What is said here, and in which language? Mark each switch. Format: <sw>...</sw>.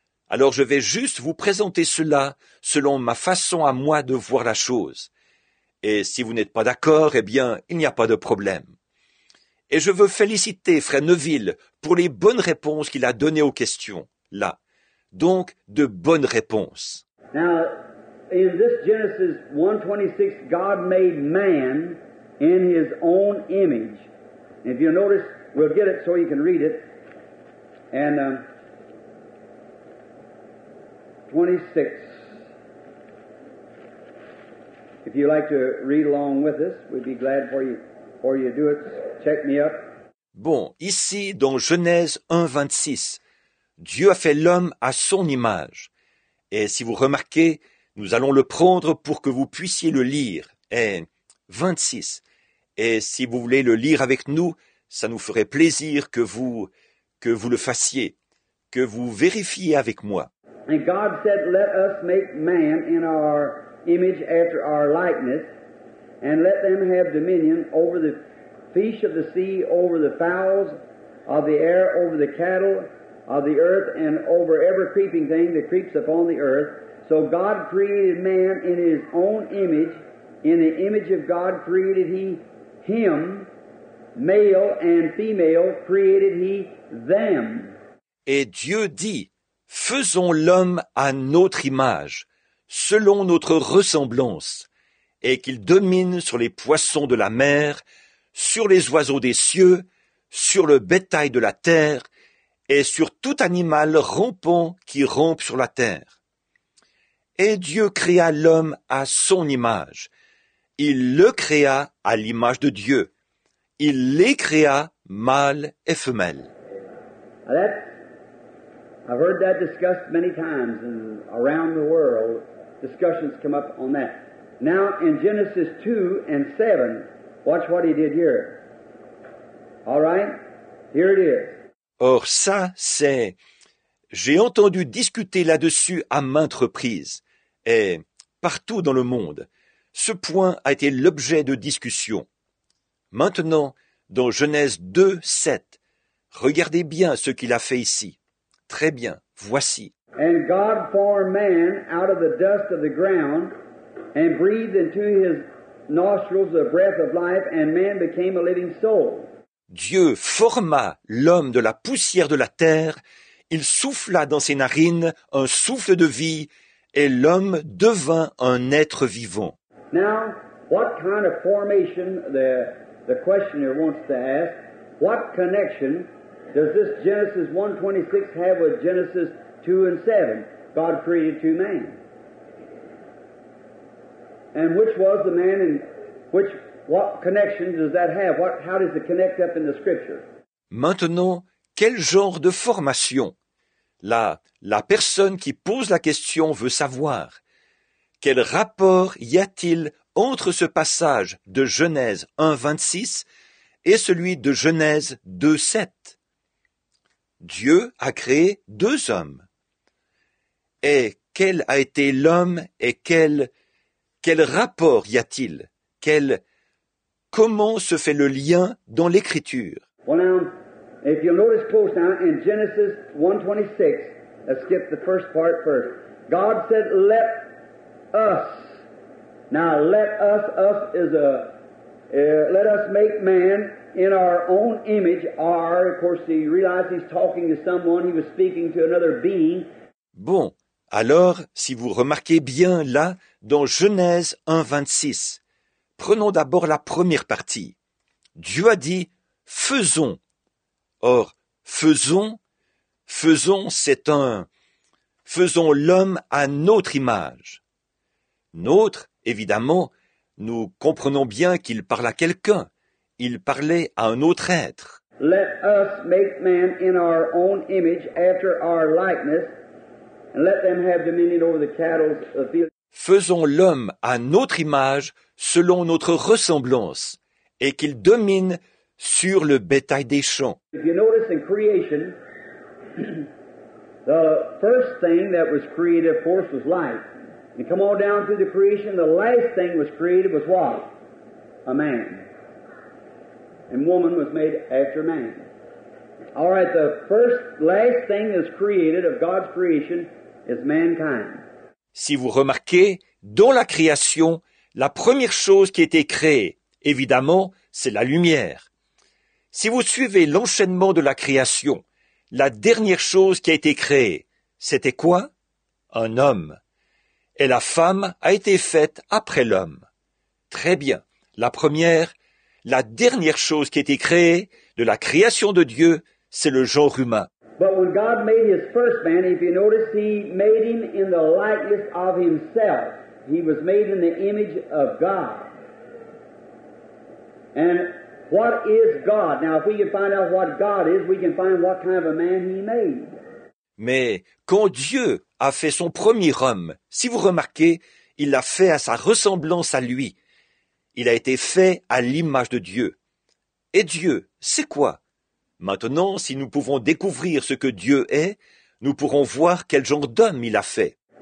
<fr>Alors, je vais juste vous présenter cela selon ma façon à moi de voir la chose. Et si vous n'êtes pas d'accord, eh bien, il n'y a pas de problème. Et je veux féliciter Frère Neville pour les bonnes réponses qu'il a données aux questions, là. Donc, de bonnes réponses.</fr> <en>Now, in this Genesis 1:26, God made man in his own image. If you notice, we'll get it so you can read it. And 26. If you like to read along with us, we'd be glad for you to do it. Check me up.</en> <fr>Bon, ici, dans Genèse 1:26, Dieu a fait l'homme à son image. Et si vous remarquez, nous allons le prendre pour que vous puissiez le lire. Et 26. Et si vous voulez le lire avec nous, ça nous ferait plaisir que vous le fassiez, que vous vérifiez avec moi.</fr> <en>And God said, let us make man in our image after our likeness, and let them have dominion over the fish of the sea, over the fowls of the air, over the cattle of the earth, and over every creeping thing that creeps upon the earth. So God created man in his own image. In the image of God created he him, male and female created he them.</en> <fr>Et Dieu dit, faisons l'homme à notre image, selon notre ressemblance, et qu'il domine sur les poissons de la mer, sur les oiseaux des cieux, sur le bétail de la terre, et sur tout animal rampant qui rampe sur la terre. Et Dieu créa l'homme à son image. Il le créa à l'image de Dieu. Il les créa mâle et femelle.</fr> <en>I've heard that discussed many times and around the world. Discussions come up on that. Now in Genesis 2 and 7, watch what he did here. All right? Here it is.</en> <fr>Or ça, c'est... J'ai entendu discuter là-dessus à maintes reprises et partout dans le monde. Ce point a été l'objet de discussions. Maintenant, dans Genèse 2, 7, regardez bien ce qu'il a fait ici. Très bien, voici.</fr> <en>And God formed man out of the dust of the ground and breathed into his nostrils the breath of life, and man became a living soul.</en> <fr>Dieu forma l'homme de la poussière de la terre, il souffla dans ses narines un souffle de vie, et l'homme devint un être vivant.</fr> <en>Now, what kind of formation, the questioner wants to ask, what connection does this Genesis 1:26 have with Genesis 2 and 7? God created two men. And which was the man and which, what connection does that have? What, how does it connect up in the scripture?</en> <fr>Maintenant, quel genre de formation? La personne qui pose la question veut savoir. Quel rapport y a-t-il entre ce passage de Genèse 1:26 et celui de Genèse 2:7? Dieu a créé deux hommes. Et quel a été l'homme et quel rapport y a-t-il? Comment se fait le lien dans l'Écriture?</fr> <en>Well now, if you'll notice close now, in Genesis 1:26, let's skip the first part first. God said, let us. Now, let us is a, let us make man in our own image, are, of course, he realized he's talking to someone, he was speaking to another being.</en> <fr>Bon, alors, si vous remarquez bien là, dans Genèse 1:26, prenons d'abord la première partie. Dieu a dit, faisons. Or, faisons, c'est un, faisons l'homme à notre image. Notre, évidemment, nous comprenons bien qu'il parle à quelqu'un. Il parlait à un autre être.</fr> <en>Let us make man in our own image after our likeness, and let them have dominion over the cattle of the field.</en> <fr>Faisons l'homme à notre image selon notre ressemblance, et qu'il domine sur le bétail des champs.</fr> <en>If you notice in creation, the first thing that was created, of course, was life. And come on down through the creation, the last thing was created was what? A man. And woman was made after man. All right, the first, last thing that's created of God's creation is mankind.</en> <fr>Si vous remarquez, dans la création, la première chose qui a été créée, évidemment, c'est la lumière. Si vous suivez l'enchaînement de la création, la dernière chose qui a été créée, c'était quoi? Un homme. Et la femme a été faite après l'homme. Très bien, la première... La dernière chose qui a été créée de la création de Dieu, c'est le genre humain.</fr> <en>But when God made his first man, if you notice, he made him in the likeness of himself. He was made in the image of God. And what is God? Now, if we can find out what God is, we can find what kind of a man he made.</en> <fr>Mais quand Dieu a fait son premier homme, si vous remarquez, il l'a fait à sa ressemblance à lui. Il a été fait à l'image de Dieu. Et Dieu, c'est quoi? Maintenant, si nous pouvons découvrir ce que Dieu est, nous pourrons voir quel genre d'homme il a fait.</fr>